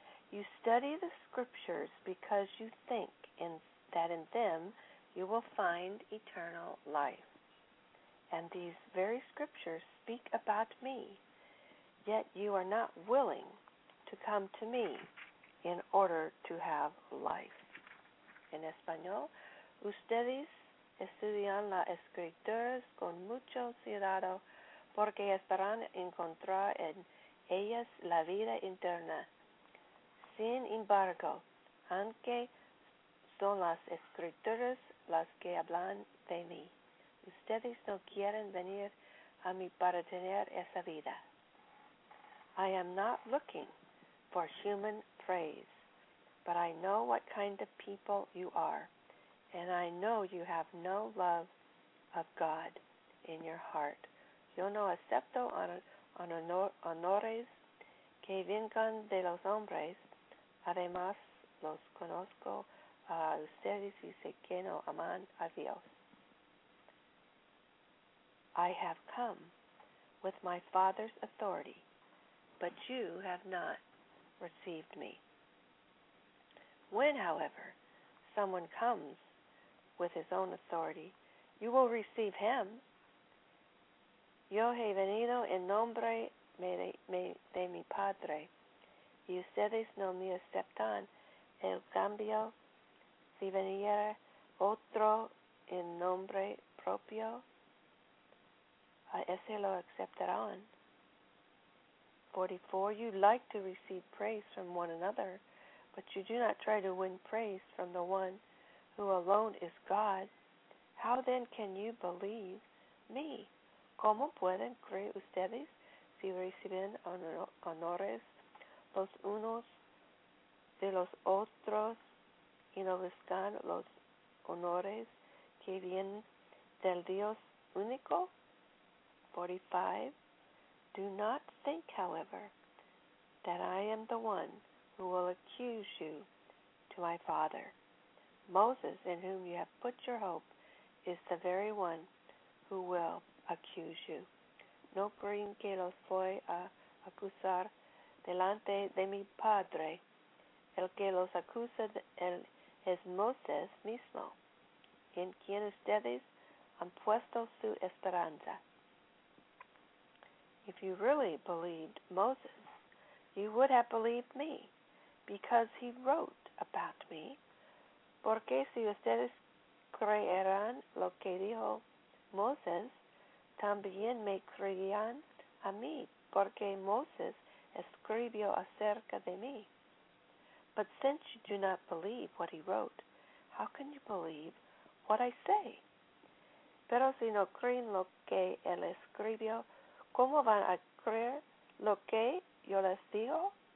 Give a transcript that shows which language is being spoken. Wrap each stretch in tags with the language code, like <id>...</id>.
<en>You study the scriptures because you think that in them you will find eternal life. And these very scriptures speak about me, yet you are not willing to come to me in order to have life.</en> <es>En español, ustedes estudian las escrituras con mucho cuidado porque esperan encontrar en ellas la vida eterna. Sin embargo, aunque son las escrituras las que hablan de mí, ustedes no quieren venir a mí para tener esa vida.</es> <en>I am not looking for human praise, but I know what kind of people you are, and I know you have no love of God in your heart.</en> <es>Yo no acepto honores que vengan de los hombres. Además, los conozco a ustedes y sé que no aman a Dios.</es> <en>I have come with my Father's authority, but you have not received me. When, however, someone comes with his own authority, you will receive him.</en> <es>Yo he venido en nombre de mi Padre. Y ustedes no me aceptan. El cambio, si viniera otro en nombre propio, a ese lo aceptarán.</es> <en>44, you like to receive praise from one another, but you do not try to win praise from the one who alone is God. How then can you believe me?</en> <es>¿Cómo pueden creer ustedes si reciben honores los unos de los otros y no buscan los honores que vienen del Dios único? 45.</es> <en>Do not think, however, that I am the one who will accuse you to my Father. Moses, in whom you have put your hope, is the very one who will accuse you.</en> <es>No creen que los voy a acusar delante de mi Padre. El que los acusa es Moses mismo, en quien ustedes han puesto su esperanza.</es> <en>If you really believed Moses, you would have believed me, because he wrote about me.</en> <es>Porque si ustedes creeran lo que dijo Moses, también me creían a mí, porque Moses escribió acerca de mí.</es> <en>But since you do not believe what he wrote, how can you believe what I say?</en> <es>Pero si no creen lo que él escribió, ¿cómo van a creer lo que yo les digo?</es>